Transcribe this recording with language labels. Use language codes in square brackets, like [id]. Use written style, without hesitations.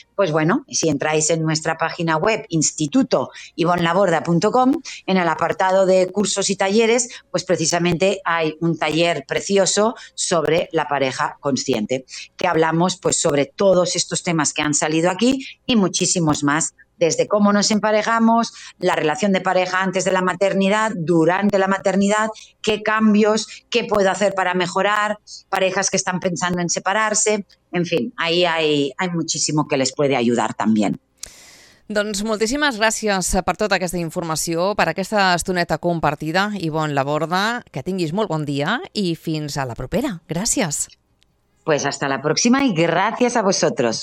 [es] pues bueno, si entráis en nuestra página web institutoivonlaborda.com, en el apartado de cursos y talleres, pues precisamente hay un taller precioso sobre la pareja consciente, que hablamos pues sobre todos estos temas que han salido aquí y muchísimos más, desde cómo nos emparejamos, la relación de pareja antes de la maternidad, durante la maternidad, qué cambios, qué puedo hacer para mejorar, parejas que están pensando en separarse, en fin, ahí hay muchísimo que les puede ayudar también. [ca] Doncs moltíssimes gràcies per tota aquesta informació, per aquesta estoneta compartida, Ivonne Laborda, que tinguis molt bon dia i fins a la propera. Gràcies. [es] Pues hasta la próxima y gracias a vosotros.